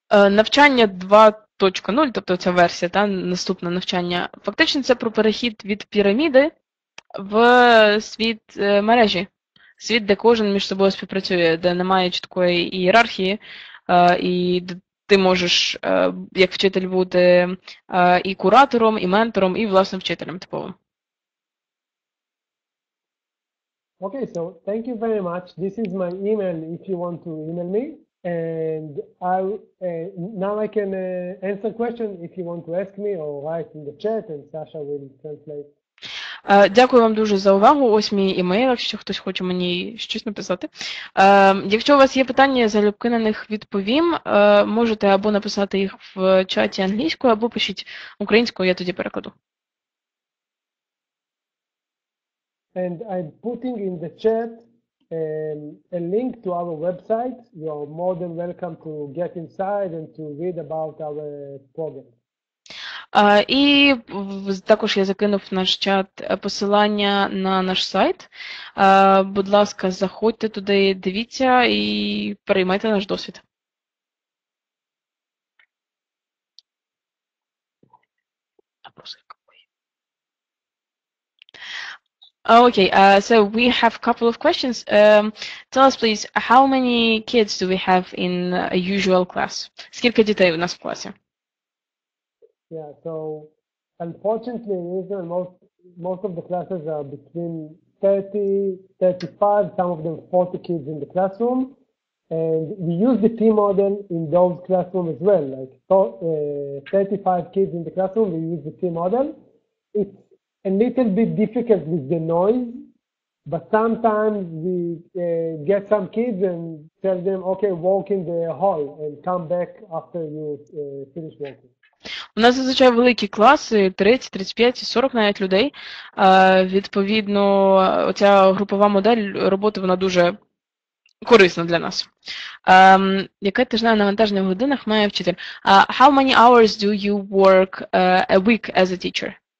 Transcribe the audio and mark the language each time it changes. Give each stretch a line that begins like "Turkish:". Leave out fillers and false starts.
Ukrainian: Навчання 2.0, тобто ця версія, та наступне навчання, фактично це про перехід від піраміди в світ мережі. Світ, де кожен між собою співпрацює, де немає чіткої ієрархії, і ти можеш, як вчитель, бути і куратором, і ментором, і власним вчителем типовим.
English: Okay, so thank you very much. This is my email if you want to email me. And I can answer questions if you want to ask me or write in the chat, and Sasha will translate.
Ukrainian: Дякую вам дуже за увагу. Ось мій імейл, якщо хтось хоче мені щось написати. Якщо у вас є питання, залюбки на них відповім. Можете або написати їх в чаті англійською, або пишіть українською, я тоді перекладу.
English: And I'm putting in the chat a link to our website. You are more than welcome to get inside and to read about our program.
Ukrainian: І також я закинув в наш чат посилання на наш сайт. Будь ласка, заходьте туди, дивіться і переймайте наш досвід.
English: Okay, so we have a couple of questions. Tell us, please, how many kids do we have in a usual class?
Ukrainian: Скільки дітей у нас в класі?
English: Yeah, so unfortunately, in Israel, most of the classes are between 30, 35, some of them 40 kids in the classroom. And we use the T model in those classrooms as well. Like 35 kids in the classroom, we use the T model. It's a little bit difficult with the noise, but sometimes we get some kids and tell them, okay, walk in the hall and come back after you finish walking.
Ukrainian: У нас зазвичай великі класи, 30, 35, 40 навіть людей. Відповідно, оця групова модель роботи, вона дуже корисна для нас. Яке тижневе навантаження в годинах має вчитель?
English: How many hours do you work a week as a teacher?